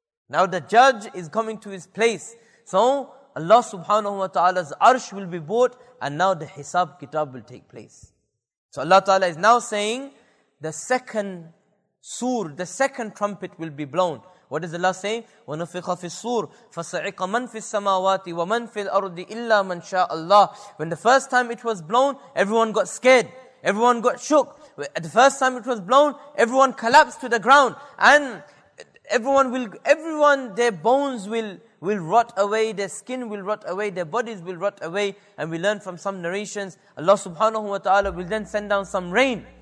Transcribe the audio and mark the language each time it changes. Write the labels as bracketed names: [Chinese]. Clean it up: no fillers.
[English] Now the judge is coming to his place. So Allah subhanahu wa ta'ala's arsh will be brought and now the hisab kitab will take place. So Allah ta'ala is now saying the second sur, the second trumpet will be blown. What does Allah say? [Arabic] وَنُفِقَ فِي الصُّورِ فَصَعِقَ مَن فِي السَّمَاوَاتِ وَمَن فِي الْأَرْضِ إِلَّا مَن شَاءَ اللَّهِ [English] When the first time it was blown, everyone got scared. Everyone got shook. At the first time it was blown, everyone collapsed to the ground. And everyone, their bones will rot away, their skin will rot away, their bodies will rot away. And we learn from some narrations, Allah subhanahu wa ta'ala will then send down some rain.